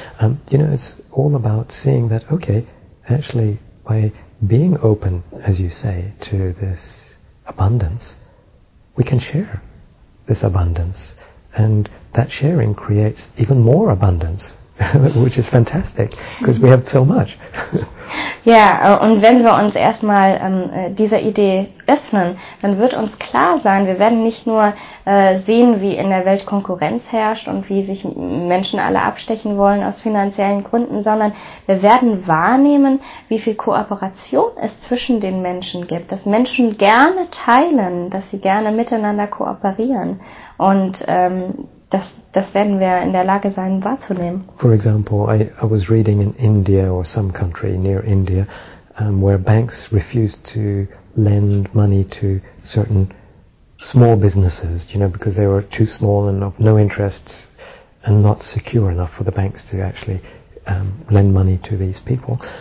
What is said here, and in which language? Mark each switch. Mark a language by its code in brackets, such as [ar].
[en] You know, it's all about seeing that, okay, actually, by being open, as you say, to this abundance, we can share this abundance. And that sharing creates even more abundance. Which is fantastic, because we have so much. [de] Ja, und wenn wir uns erstmal dieser Idee öffnen, dann wird uns klar sein, wir werden nicht nur sehen, wie in der Welt Konkurrenz herrscht und wie sich Menschen alle abstechen wollen aus finanziellen Gründen, sondern wir werden wahrnehmen, wie viel Kooperation es zwischen den Menschen gibt, dass Menschen gerne teilen, dass sie gerne miteinander kooperieren. Und das werden wir in der Lage sein, wahrzunehmen. [en] For example, I was reading in India or some country near India, where banks refused to lend money to certain small businesses, you know, because they were too small and of no interest and not secure enough for the banks to actually lend money to these people.